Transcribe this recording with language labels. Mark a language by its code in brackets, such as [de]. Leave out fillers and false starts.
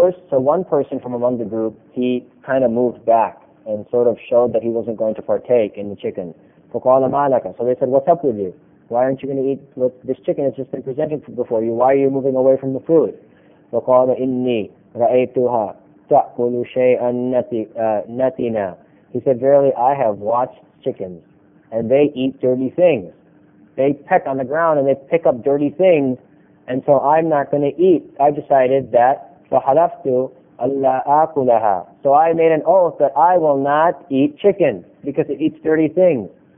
[en] So one person from among the group, he kind of moved back and sort of showed that he wasn't going to partake in the chicken. So they said, what's up with you? Why aren't you going to eat? Look, this chicken has just been presented before you. Why are you moving away from the food? [ar] وقال إني رأيتها تأكل شيئا نتنا [en] He said, verily, I have watched chickens, and they eat dirty things. They peck on the ground, and they pick up dirty things, and so I'm not going to eat. I decided that, [ar] فَحَلَفْتُ أَلَّا أَكُلَهَا. [en] So I made an oath that I will not eat chicken, because it eats dirty things.